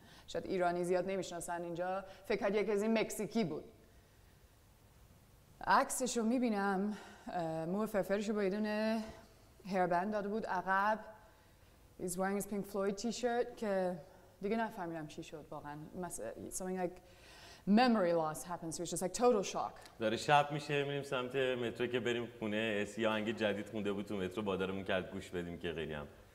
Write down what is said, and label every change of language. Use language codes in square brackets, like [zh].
[fa] شاید ایرانی زیاد نمیشناسن اینجا، فکر کرد یکی از این مکزیکی بود. عکسش رو میبینم، مو فرفرش رو با یه دونه هیربند داده بود عقب. [en] He's wearing his Pink Floyd t-shirt [fa] که دیگه نفهمیدم چی شد واقعا. [en] Something like memory loss happens. It was just like total shock. [fa] داره شب میشه، میریم سمت مترو که بریم خونه. اسی آهنگ جدید خونده بود تو مترو، بادارمون کرد گوش بدیم که خیلی هم.